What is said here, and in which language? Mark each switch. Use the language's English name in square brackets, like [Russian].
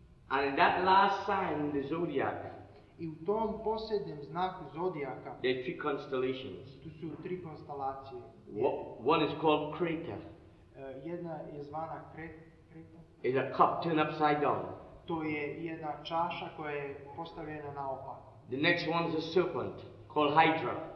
[English] And in that last sign in the zodiac. [Croatian] I u tom posljednjem znaku zodiaka. [English] There are three constellations. [Croatian] Tu su tri konstelacije. [English] One is called Crater. [Croatian] Jedna je zvana Kreta. [English] It's a cup turned upside down. [Croatian] To je jedna čaša koja je postavljena naopak. [English] The next one is a serpent called Hydra.